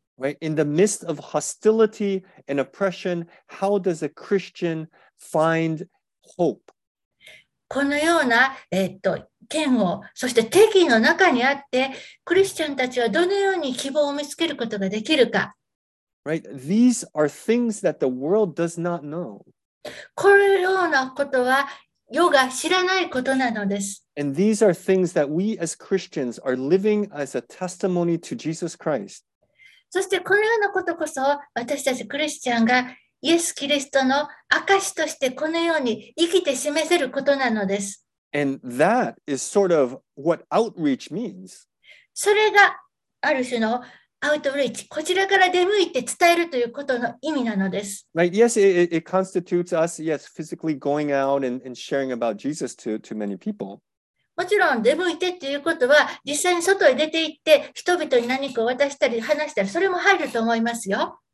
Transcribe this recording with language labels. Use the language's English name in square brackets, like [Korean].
[English] Right. In the midst of hostility and oppression, how does a Christian find hope? [Japanese] このような、嫌悪、そして敵の中にあって、クリスチャンたちはどのように希望を見つけることができるか。 [English] Right. These are things that the world does not know. [Japanese] このようなことは世が知らないことなのです。 [English] And these are things that we as Christians are living as a testimony to Jesus Christ. [Japanese] そしてこのようなことこそ私たちクリスチャンがイエス・キリストの証としてこのように生きて示せることなのです。 [English] And that is sort of what outreach means. [Japanese] それがある種のアウトリーチ、こちらから出向いて伝えるということの意味なのです。 [English] Right, yes, it constitutes us, yes, physically going out and sharing about Jesus to many people. [Japanese] もちろん出向いてっていうことは、実際に外へ出て行って人々に何かを渡したり話したり、それも入ると思いますよ。